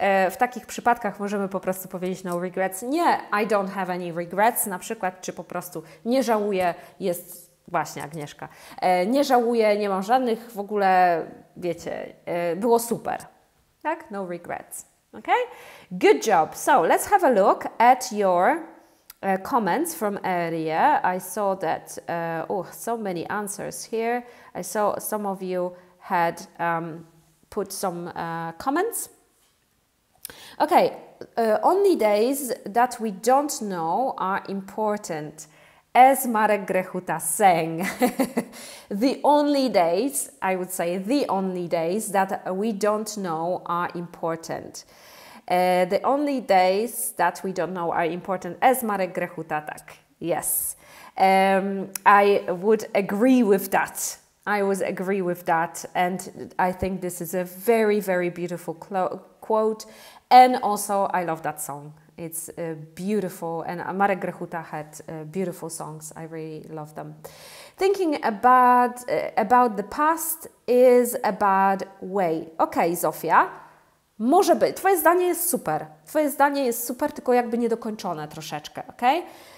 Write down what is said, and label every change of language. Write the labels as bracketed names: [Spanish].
[Polish] W takich przypadkach możemy po prostu powiedzieć [English] no regrets. [Polish] Nie, [English] I don't have any regrets, [Polish] na przykład, czy po prostu nie żałuję, jest właśnie Agnieszka. Nie żałuję, nie mam żadnych w ogóle, wiecie, było super. Tak? [English] No regrets. Okay? Good job. So, let's have a look at your comments from earlier. I saw that, so many answers here. I saw some of you had put some comments. Okay, only days that we don't know are important. as Marek Grechuta sang, the only days, I would say the only days that we don't know are important. The only days that we don't know are important, as Marek Grechuta, tak. Yes, I would agree with that. I would agree with that. And I think this is a very, very beautiful quote. And also, I love that song. It's beautiful. And Marek Grechuta had beautiful songs. I really love them. Thinking about the past is a bad way. [Polish] Okay, Zofia. Może być. Twoje zdanie jest super. Twoje zdanie jest super, tylko jakby niedokończone troszeczkę, okej? Okay?